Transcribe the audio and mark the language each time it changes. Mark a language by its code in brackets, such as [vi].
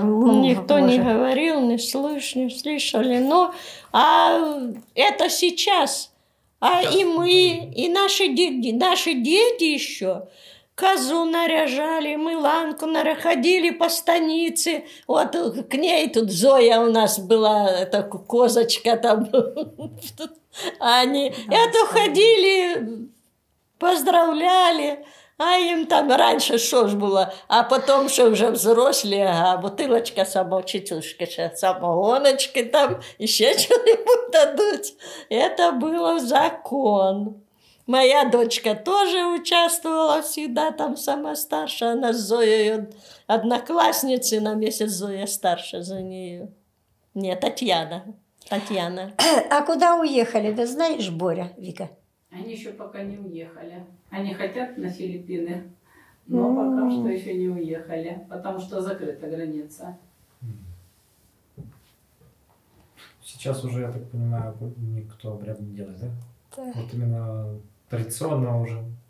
[ru] никто не говорил, не слышали, но а это сейчас, а и мы, и наши дети еще козу наряжали, мы ланку ходили по станице, вот к ней тут Зоя у нас была, эта козочка там, они это ходили, поздравляли. [uk] А їм там раніше що ж було, а потім, що вже взрослі, а бутилочка самочичушки, ще самогоночки там, і ще чого-небудь дадуть. Це було закон. Моя дочка теж участвувала завжди там, сама старша, вона з Зоєю, однокласниці на місяць Зоя старша за нею. Ні, Тетяна. Тетяна. А куди уїхали, ти знаєш, Боря, Віка? [ru] Они еще пока не уехали. Они хотят на Филиппины, но пока что еще не уехали, потому что закрыта граница. Сейчас уже, я так понимаю, никто обряд не делает, да? Да. Вот именно традиционно уже.